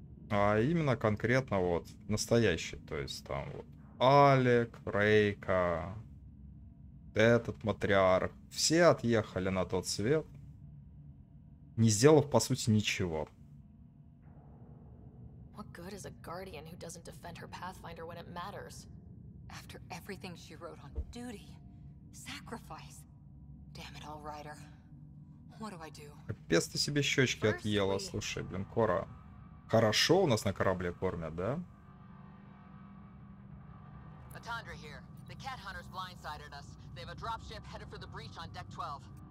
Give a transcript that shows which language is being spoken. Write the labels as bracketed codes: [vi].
[ru] А именно конкретно вот настоящий. То есть там вот Алек, Рейка, этот матриарх. Все отъехали на тот свет, не сделав, по сути, ничего. [en] What good is a guardian who doesn't defend her Pathfinder when it matters? After everything she wrote on duty, sacrifice. Damn it all, Ryder. What do I do? [ru] Капец, ты себе щечки отъела, слушай, блин, Кора. Хорошо у нас на корабле кормят, да? [en] Atandra here. The cat hunters blindsided us. They have a dropship headed for the breach on deck 12.